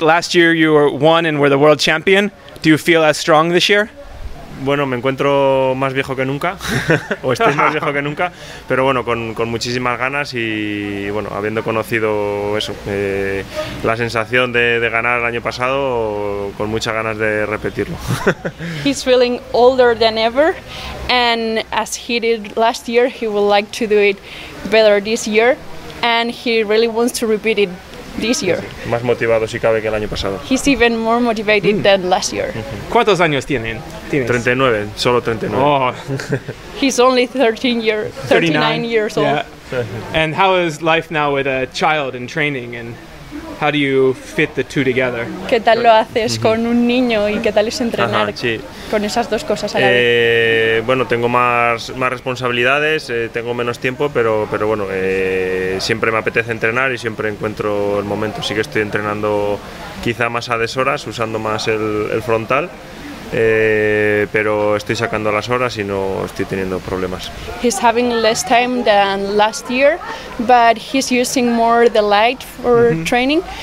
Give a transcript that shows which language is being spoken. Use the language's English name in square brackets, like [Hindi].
[English] Last year, you were one and were the world champion. Do you feel as strong this year? [Spanish] Bueno, me encuentro más viejo que nunca, o estoy más viejo que nunca, pero bueno, con muchísimas ganas y bueno, habiendo conocido eso, la sensación de ganar el año pasado, con muchas ganas de repetirlo. [English] He's feeling older than ever, and as he did last year, he would like to do it better this year, and he really wants to repeat it this year. [Spanish] Sí, más motivado si cabe que el año pasado. [English] He's even more motivated than last year. [Spanish] ¿Cuántos años tienen? 39, solo 39. Oh. [English] He's only 39 years old. Yeah. And how is life now with a child and training, and how do you fit the two together? [Spanish] ¿Qué tal lo haces con un niño y qué tal es entrenar con esas dos cosas a la vez? Bueno, tengo más responsabilidades, tengo menos tiempo, pero bueno, siempre me apetece entrenar y siempre encuentro el momento. Sí que estoy entrenando quizá más a deshoras, usando más el frontal. Pero estoy sacando las horas y no estoy teniendo problemas. [English] He's having less time than last year, but he's using more the light for training.